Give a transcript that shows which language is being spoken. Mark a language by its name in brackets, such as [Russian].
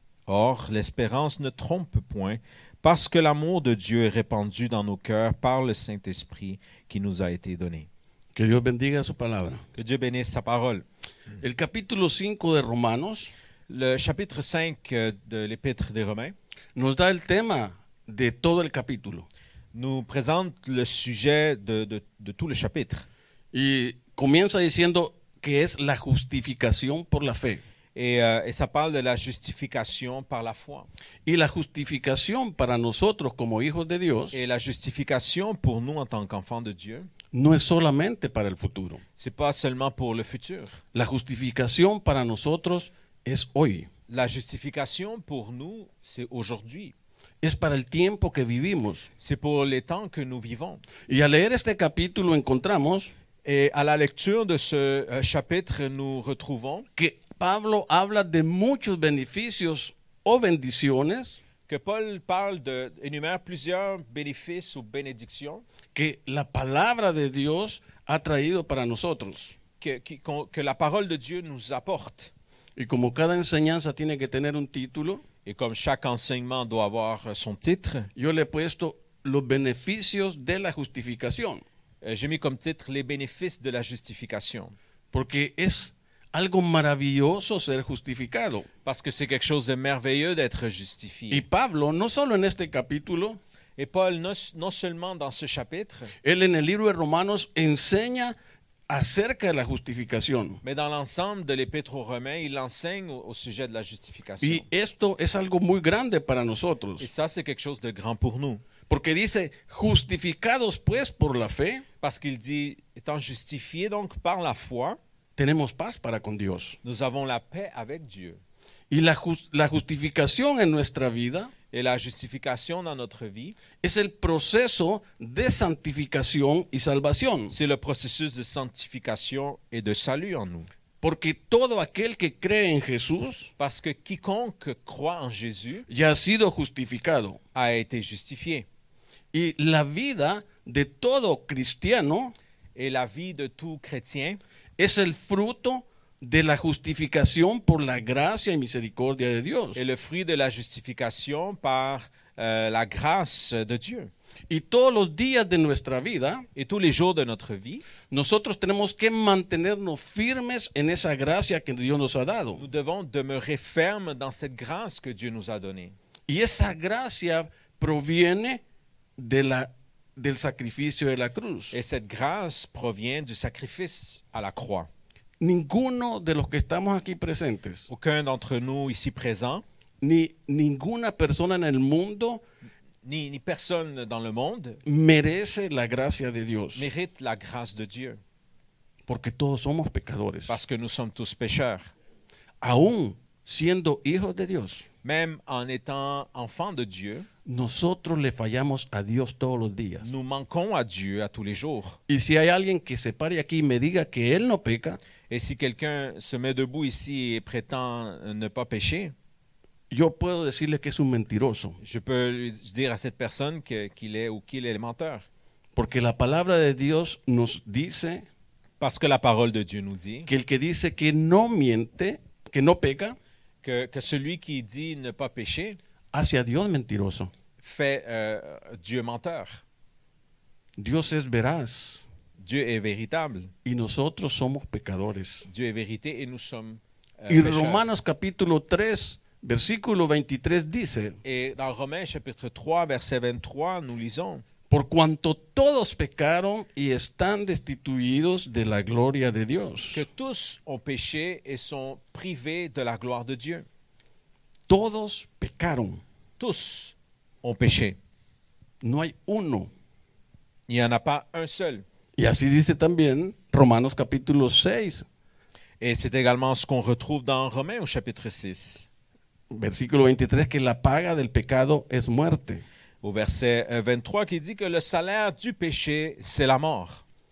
[French] Or, l'espérance ne trompe point, parce que l'amour de Dieu est répandu dans nos cœurs par le Saint-Esprit qui nous a été donné. » [Spanish] Que Dios bendiga su palabra. [French] Que Dieu bénisse sa parole. [Spanish] El capítulo 5 de Romanos, [French] le chapitre 5 de l'épître des Romains, [Spanish] nos da el tema de todo el capítulo. [French] Nous présente le sujet de tout le chapitre. [Spanish] Y comienza diciendo que es la justificación por la fe. [French] Et ça parle de la justification par la foi. [Spanish] Y la justificación para nosotros como hijos de Dios. [French] Et la justification pour nous en tant qu'enfants de Dieu. [Spanish] No es solamente para el futuro. [French] C'est pas seulement pour le futur. [Spanish] La justificación para nosotros es hoy. [French] La justification pour nous c'est aujourd'hui. [Spanish] Es para el tiempo que vivimos. [French] C'est pour le temps que nous vivons. [Spanish] Y al leer este capítulo encontramos. [French] Et à la lecture de ce chapitre nous retrouvons [Spanish] que Pablo habla de muchos beneficios o bendiciones. [French] Que Paul parle de énumère plusieurs bénéfices ou bénédictions [Spanish] que la palabra de Dios ha traído para nosotros. [French] Que la parole de Dieu nous apporte. [Spanish] Y como cada enseñanza tiene que tener un título. [French] Et comme chaque enseignement doit avoir son titre, [Spanish] yo le he puesto los beneficios de la justificación. [French] J'ai mis comme titre les bénéfices de la justification. [Spanish] Porque es algo maravilloso ser justificado. [French] Parce que c'est quelque chose de merveilleux d'être justifié. [Spanish] Y Pablo, no solo en este capítulo, [French] et Paul, non seulement dans ce chapitre, [Spanish] él en el libro de Romanos enseña acerca de la justificación. [French] Mais dans l'ensemble de l'épître aux Romains, il enseigne au sujet de la justification. [Spanish] Y esto es algo muy grande para nosotros. [French] Et ça, c'est quelque chose de grand pour nous. [Spanish] Porque dice, justificados pues por la fe. [French] Parce qu'il dit, étant justifié donc par la foi. [Spanish] Tenemos paz para con Dios. [French] Nous avons la paix avec Dieu. [Spanish] Y la justificación en nuestra vida. [French] Et la justification dans notre vie. [Spanish] Es el proceso de santificación y salvación. [French] C'est le processus de sanctification et de salut en nous. [Spanish] Porque todo aquel que cree en Jesús. [French] Parce que quiconque croit en Jésus. [Spanish] Ya ha sido justificado. [French] A été justifié. [Spanish] Y la vida de todo cristiano. [French] Et la vie de tout chrétien. [Spanish] Es el fruto de la justificación por la gracia y misericordia de Dios. [French] Et le fruit de la justification par la grâce de Dieu. [Spanish] Y todos los días de nuestra vida, [French] et tous les jours de notre vie, [Spanish] nosotros tenemos que mantenernos firmes en esa gracia que Dios nos ha dado. [French] Nous devons demeurer fermes dans cette grâce que Dieu nous a donnée. [Spanish] Y esa gracia proviene de la del sacrificio de la cruz. [French] Et cette grâce provient du sacrifice à la croix. [Spanish] Ninguno de los que estamos aquí presentes. [French] Aucun d'entre nous ici présents. [Spanish] Ni ninguna persona en el mundo. [French] Ni personne dans le monde. [Spanish] Merece la gracia de Dios. [French] Mérite la grâce de Dieu. [Spanish] Porque todos somos pecadores. [French] Parce que nous sommes tous pécheurs. [Spanish] Aún siendo hijos de Dios. [French] Même en étant enfants de Dieu. [Spanish] Nosotros le fallamos a Dios todos los días. [French] Nous manquons à Dieu à tous les jours. [Spanish] Y si hay alguien que se pare aquí y me diga que él no peca, [French] et si quelqu'un se met debout ici et prétend ne pas pécher, [Spanish] yo puedo decirle que es un mentiroso. [French] Je peux dire à cette personne qu'il est ou qu'il est menteur. [Spanish] Porque la palabra de Dios nos dice, [French] parce que la parole de Dieu nous dit, [Spanish] que el que dice que no miente, que no peca, [French] que celui qui dit ne pas pécher, [Spanish] hacia Dios mentiroso. [French] Fait Dieu menteur. [Spanish] Dios es veraz. [French] Dieu est véritable. [Spanish] Y nosotros somos pecadores. [French] Dieu est vérité et nous sommes y pécheurs. [Spanish] Romanos capítulo 3, versículo 23 dice. [French] Et dans Romains chapitre 3, verset 23, nous lisons. [Spanish] Por cuanto todos pecaron y están destituidos de la gloria de Dios. [French] Que tous ont péché et sont privés de la gloire de Dieu. [Spanish] Todos pecaron. [French] Tous ont péché. [Spanish] No hay uno. [French] Il n'y en a pas un seul. [Spanish] Y así dice también Romanos capítulo 6. [French] Et c'est également ce qu'on retrouve dans Romains au chapitre 6. [Spanish] Versículo 23, que la paga del pecado es muerte. [French] Au verset 23, qui dit que le salaire du péché, c'est la mort.